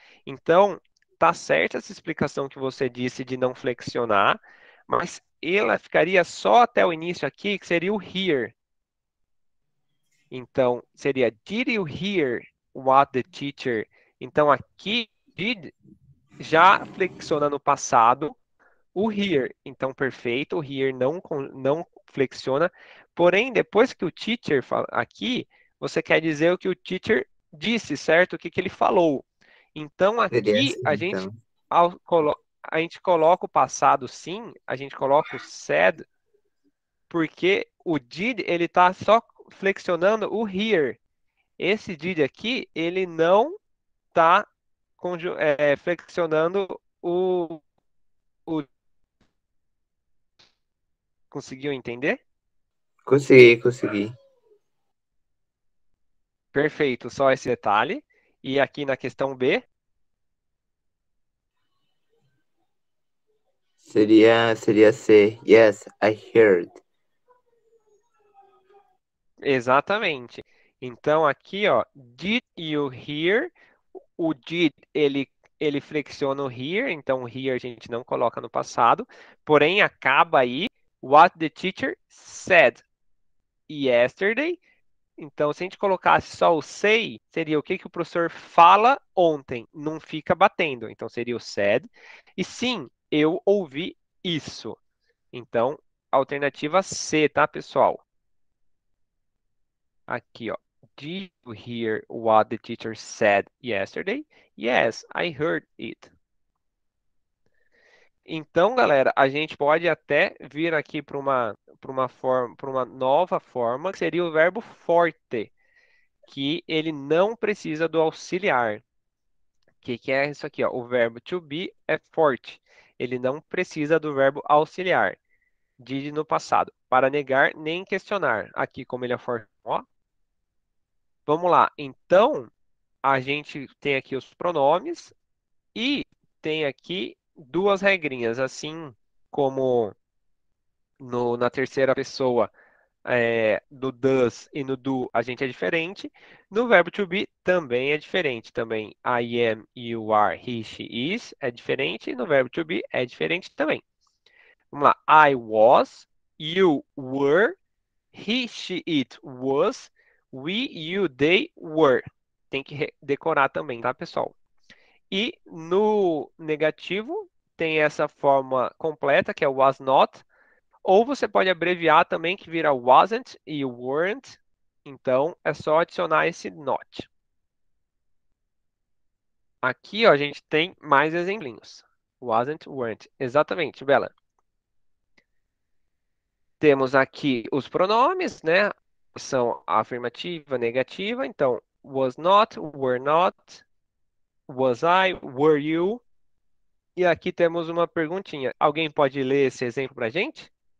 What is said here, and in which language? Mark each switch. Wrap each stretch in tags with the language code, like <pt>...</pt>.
<pt>Então, tá certa essa explicação que você disse de não flexionar, mas ela ficaria só até o início aqui, que seria o here. Então, seria</pt> <en>did you hear what the teacher?</en> <pt>Então, aqui, did, já flexiona no passado. O here, então perfeito, o here não flexiona. Porém, depois que o teacher fala aqui, você quer dizer o que o teacher disse, certo? O que que ele falou? Então Seria aqui assim, então. a gente coloca o passado sim, a gente coloca o said, porque o did ele está só flexionando o here. Esse did aqui, ele não está flexionando o Conseguiu entender? Consegui. Perfeito, só esse detalhe. E aqui na questão B. Seria C.</pt> <en>Yes, I heard.</en> <pt>Exatamente. Então aqui, ó,</pt> <en>did you hear?</en> <pt>O did, ele flexiona o here, então o here a gente não coloca no passado, porém acaba aí.</pt> <en>What the teacher said yesterday.</en> <pt>Então, se a gente colocasse só o say, seria o que que o professor fala ontem. Não fica batendo. Então, seria o said. E sim, eu ouvi isso. Então, alternativa C, tá, pessoal? Aqui, ó.</pt> <en>Did you hear what the teacher said yesterday? Yes, I heard it.</en> <pt>Então, galera, a gente pode até vir aqui para uma nova forma, que seria o verbo forte, que ele não precisa do auxiliar. Que é isso aqui, ó? O verbo to be é forte. Ele não precisa do verbo auxiliar, did no passado, para negar nem questionar. Aqui, como ele é forte, ó. Vamos lá. Então, a gente tem aqui os pronomes e tem aqui duas regrinhas, assim como no, na terceira pessoa do does e no do a gente é diferente, no verbo to be também é diferente, também</pt> <en>I am, you are, he, she, is</en> <pt>é diferente, e no verbo to be é diferente também. Vamos lá,</pt> <en>I was, you were, he, she, it was, we, you, they were.</en> <pt>Tem que decorar também, tá, pessoal? E no negativo tem essa forma completa, que é was not. Ou você pode abreviar também, que vira wasn't e weren't. Então, é só adicionar esse not. Aqui, ó, a gente tem mais exemplinhos. Wasn't, weren't. Exatamente, Bela. Temos aqui os pronomes, né? São afirmativa, negativa. Então,</pt> <en>was not, were not, was I, were you.</en> <pt>E aqui temos uma perguntinha. Alguém pode ler esse exemplo para a gente?</pt>